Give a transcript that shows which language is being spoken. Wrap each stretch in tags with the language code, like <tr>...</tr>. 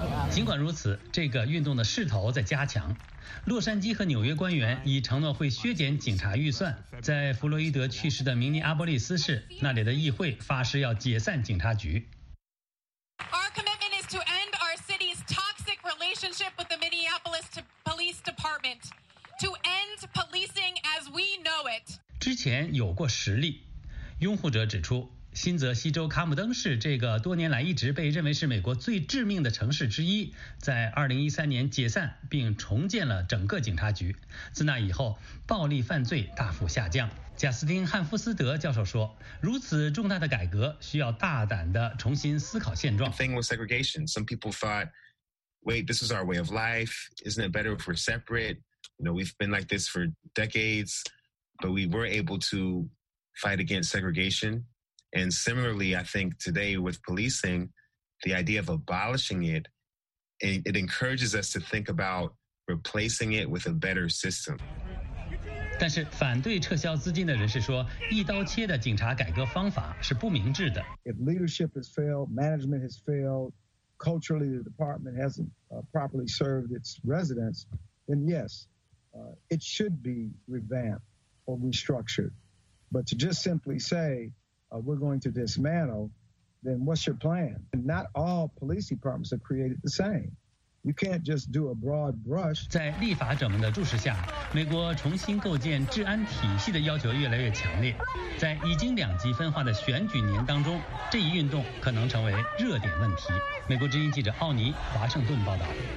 <zh>尽管如此，这个运动的势头在加强。洛杉矶和纽约官员已承诺会削减警察预算。在弗洛伊德去世的明尼阿波利斯市，那里的议会发誓要解散警察局。</zh> <en>Our commitment is to end our city's toxic relationship with the Minneapolis Police Department, to end policing as we know it.</en> <zh>之前有过实例，拥护者指出。新泽西州卡姆登市这个多年来一直被认为是美国最致命的城市之一，在2013年解散并重建了整个警察局，自那以后暴力犯罪大幅下降。贾斯汀·汉夫斯德教授说，如此重大的改革需要大胆地重新思考现状。</zh> <en>The thing was segregation. Some people thought, wait, this is our way of life. Isn't it better if we're separate? You know, we've been like this for decades, but we were able to fight against segregation. And similarly, I think today with policing, the idea of abolishing it, it encourages us to think about replacing it with a better system.</en> <zh>但是反对撤销资金的人士说，一刀切的警察改革方法是不明智的。</zh> <en>If leadership has failed, management has failed, culturally the department hasn't properly served its residents, then yes, it should be revamped or restructured. But to just simply say,we're going to dismantle, then what's your plan? And not all police departments are created the same. You can't just do a broad brush.</en> <zh>在立法者们的注视下，美国重新构建治安体系的要求越来越强烈。在已经两极分化的选举年当中，这一运动可能成为热点问题。美国之音记者奥尼华盛顿报道。</zh>